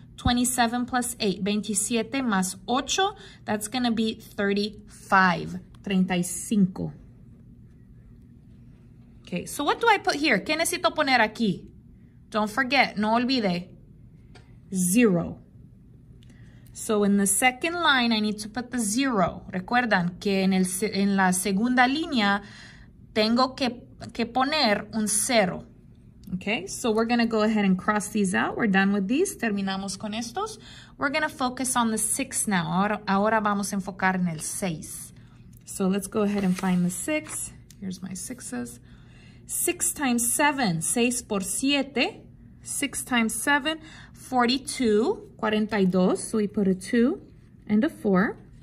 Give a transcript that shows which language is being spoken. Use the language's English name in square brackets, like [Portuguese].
[English] 27 plus 8, [Spanish] 27 más 8, [English] that's going to be 35, 35. Okay, so what do I put here? [Spanish] ¿Qué necesito poner aquí? [English] Don't forget, [Spanish] no olvide. [English] 0. So in the second line, I need to put the 0. [Spanish] Recuerdan que en la segunda línea, tengo que poner un 0. [English] Okay, so we're going to go ahead and cross these out. We're done with these. [Spanish] Terminamos con estos. [English] We're going to focus on the 6 now. [Spanish] Ahora vamos a enfocar en el 6. [English] So let's go ahead and find the 6. Here's my 6s. 6 times 7, [Spanish] 6 por 7, [English] 6 times 7, 42, 42, so we put a 2 and a 4.